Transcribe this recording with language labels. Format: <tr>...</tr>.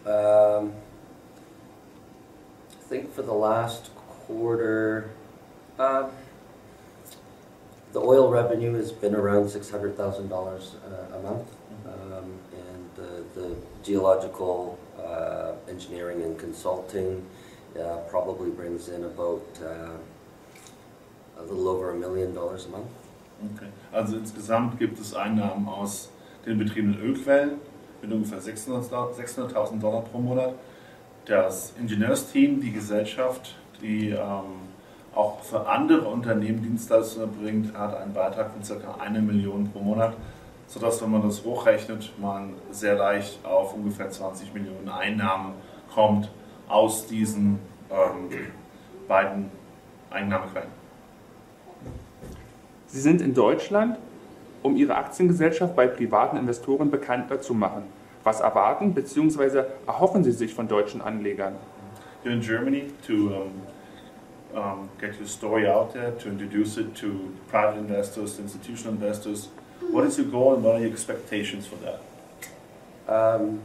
<en>I think for the last quarter, the oil revenue has been around $600,000 a month. And the geological engineering and consulting probably brings in about a little over $1 million a month.</en> <de>Okay, also insgesamt gibt es Einnahmen aus den betriebenen Ölquellen mit ungefähr $600,000 pro Monat. Das Ingenieursteam, die Gesellschaft, die auch für andere Unternehmen Dienstleistungen erbringt, hat einen Beitrag von ca. 1 Million pro Monat. So dass, wenn man das hochrechnet, man sehr leicht auf ungefähr 20 Millionen Einnahmen kommt aus diesen beiden Einnahmequellen. Sie sind in Deutschland, um Ihre Aktiengesellschaft bei privaten Investoren bekannter zu machen. Was erwarten bzw. erhoffen Sie sich von deutschen Anlegern?</de> <en>You're in Germany to get your story out there, to introduce it to private investors, institutional investors. What is your goal and what are your expectations for that?</en>